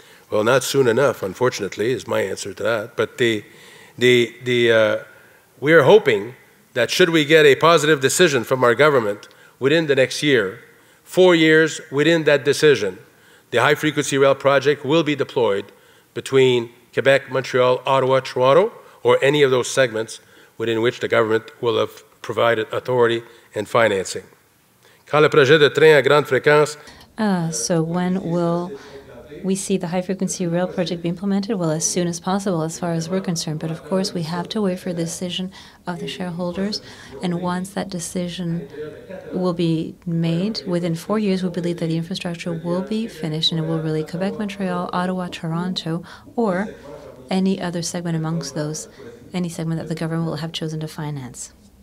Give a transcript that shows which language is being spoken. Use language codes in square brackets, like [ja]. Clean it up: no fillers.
[en] Well, not soon enough, unfortunately, is my answer to that. But we are hoping that should we get a positive decision from our government within the next year, 4 years within that decision, the high-frequency rail project will be deployed between Quebec, Montreal, Ottawa, Toronto, or any of those segments within which the government will have provided authority and financing. [fr] Quand le projet de train à grande fréquence... [en] So when will... We see the high-frequency rail project be implemented, well, as soon as possible, as far as we're concerned. But, of course, we have to wait for the decision of the shareholders. And once that decision will be made, within 4 years, we believe that the infrastructure will be finished and it will relate Quebec, Montreal, Ottawa, Toronto, or any other segment amongst those, any segment that the government will have chosen to finance.